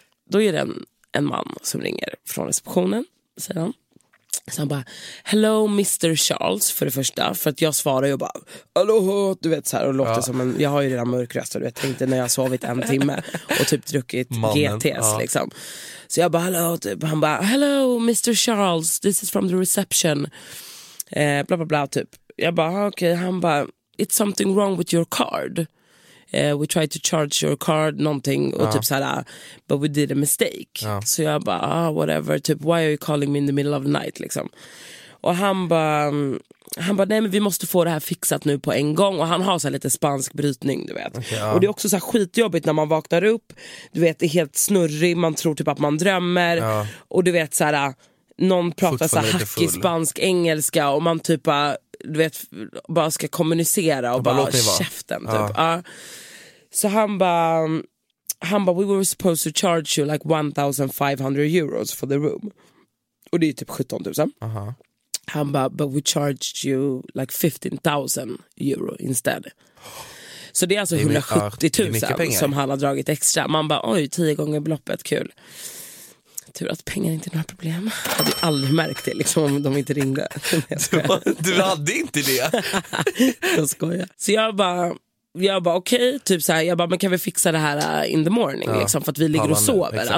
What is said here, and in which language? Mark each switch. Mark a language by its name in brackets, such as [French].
[Swedish] Då är det en man som ringer från receptionen, säger han. Så han bara, hello Mr. Charles, för det första, för att jag svarar ju och bara, aloha, du vet så här, och låter som en, jag har ju redan mörk röst, och du vet, tänkte när jag sovit en timme och typ druckit GTs liksom. Så jag bara, hello, typ, han bara, hello Mr. [English] Charles, this is from the reception, bla bla bla, typ. [Swedish] Jag bara, okej, han bara, [English] it's something wrong with your card, we tried to charge your card, [Swedish] någonting, och typ såhär, [English] but we did a mistake. [Swedish] Så jag bara, [English] whatever, typ, why are you calling me in the middle of the night, liksom. [Swedish] Och han bara, nej, men vi måste få det här fixat nu på en gång. Och han har såhär lite spansk brytning, du vet. [English] Okay. [Swedish] Och det är också såhär skitjobbigt när man vaknar upp, du vet, det är helt snurrig, man tror typ att man drömmer. Och du vet såhär, någon pratar såhär hackig spansk engelska, och man typ du vet, bara ska kommunicera och bara käften typ. Så han bara, [English] we were supposed to charge you like 1500 euros for the room, [Swedish] och det är typ 17,000. Han bara, [English] but we charged you like 15,000 euro instead. [Swedish] Så det är alltså 170,000 som han har dragit extra. Man bara, oj, 10 gånger beloppet, kul. Tur att pengar inte är några problem. Jag hade aldrig märkt det liksom, om de inte ringde. Du hade inte det. Jag skojar. Så jag bara okej, okay, typ så här, jag bara, men kan vi fixa det här [English] in the morning, [Swedish] ja, liksom, för att vi ligger och sover.